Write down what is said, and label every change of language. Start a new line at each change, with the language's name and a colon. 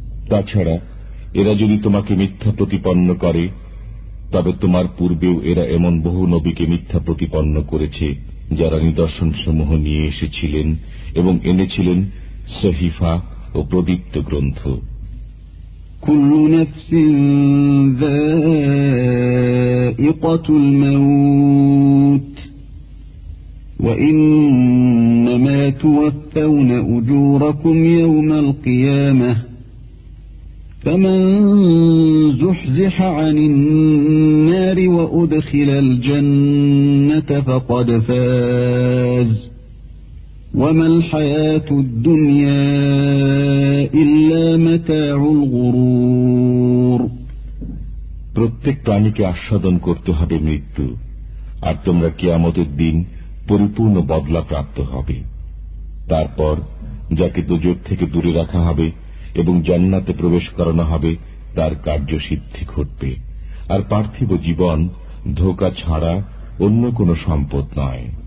Bangla: তাছাড়া এরা যদি তোমাকে মিথ্যা প্রতিপন্ন করে তবে তোমার পূর্বেও এরা এমন বহু নবীকে মিথ্যা প্রতিপন্ন করেছে যারা নিদর্শন সমূহ নিয়ে এসেছিলেন এবং এনেছিলেন সহিফা ও প্রদীপ্ত গ্রন্থ।
Arabic: كل نفس ذائقة الموت وإنما توفون أجوركم يوم القيامة فمن زحزح عن النار وأدخل الجنة فقد فاز وما الحياة الدنيا إلا متاع الغرور.
Bangla: প্রত্যেক প্রাণীকে আস্বাদন করতে হবে মৃত্যু, আর তোমরা কিয়ামতের দিন পরিপূর্ণ বদলা প্রাপ্ত হবে। তারপর যাকে দোযোগ থেকে দূরে রাখা হবে এবং জান্নাতে প্রবেশ করানো হবে তার কার্যসিদ্ধি ঘটবে, আর পার্থিব জীবন ধোকা ছাড়া অন্য কোন সম্পদ নয়।